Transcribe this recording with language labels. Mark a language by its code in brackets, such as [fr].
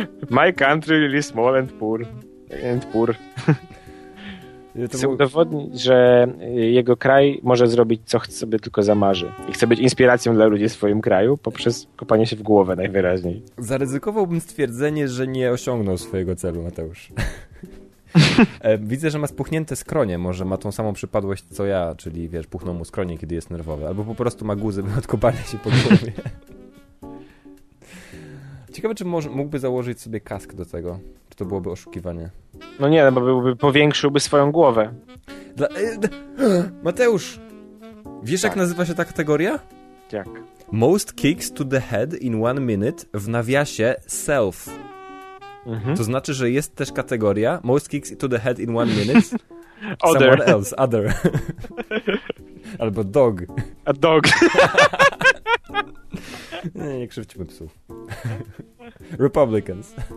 [en] My country really small and poor. [pl] Chce udowodnić, że jego kraj może zrobić, co sobie tylko zamarzy. I chce być inspiracją dla ludzi w swoim kraju poprzez kopanie się w głowę najwyraźniej. Zaryzykowałbym stwierdzenie, że nie osiągnął swojego celu, Mateusz. Widzę, że ma spuchnięte skronie. Może ma tą samą przypadłość co ja. Czyli wiesz, puchną mu skronie, kiedy jest nerwowy. Albo po prostu ma guzy od kopania się po głowie. Ciekawe, czy mógłby założyć sobie kask do tego. Czy to byłoby oszukiwanie? No nie, bo powiększyłby swoją głowę. Mateusz, wiesz, tak. Jak nazywa się ta kategoria? Jak? [en] Most kicks to the head in one minute. [pl] W nawiasie self. Mhm. To znaczy, że jest też kategoria [en] most kicks to the head in one minute. Someone else, other. [pl] Albo dog. [en] A dog. [pl] Nie krzywdźmy psów. Republicans.